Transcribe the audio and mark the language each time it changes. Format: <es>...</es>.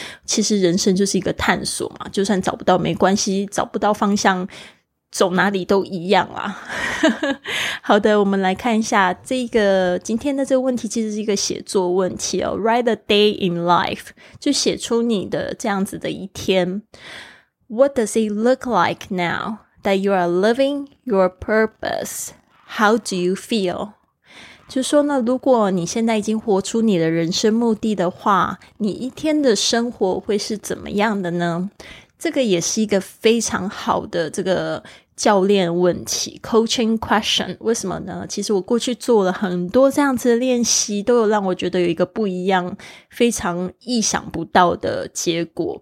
<zh>其实人生就是一个探索嘛，就算找不到没关系，找不到方向走哪里都一样啦。好的，我们来看一下这个今天的这个问题，其实是一个写作问题哦。</zh> <en>Write a day in life，</en> <zh>就写出你的这样子的一天。</zh> <en>What does it look like now that you are living your purpose? How do you feel?</en> <zh>就说呢，如果你现在已经活出你的人生目的的话，你一天的生活会是怎么样的呢？这个也是一个非常好的这个教练问题</zh> <en>coaching question。</en> <zh>为什么呢？其实我过去做了很多这样子的练习，都有让我觉得有一个不一样非常意想不到的结果。</zh>